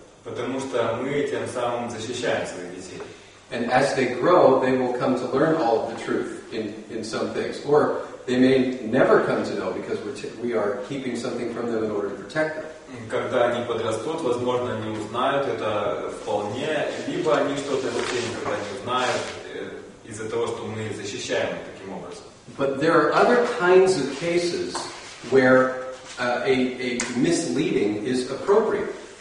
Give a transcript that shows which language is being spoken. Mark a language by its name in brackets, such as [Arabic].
[Russian] Потому что мы тем самым защищаем своих детей. [English] And as they grow, they will come to learn all of the truth in some things, or they may never come to know because we are keeping something from them in order to protect them. [Russian] Когда они подрастут, возможно, они узнают это вполне, либо они что-то вообще никогда не узнают из-за того, что мы их защищаем таким образом. [English] But there are other kinds of cases where a misleading is appropriate.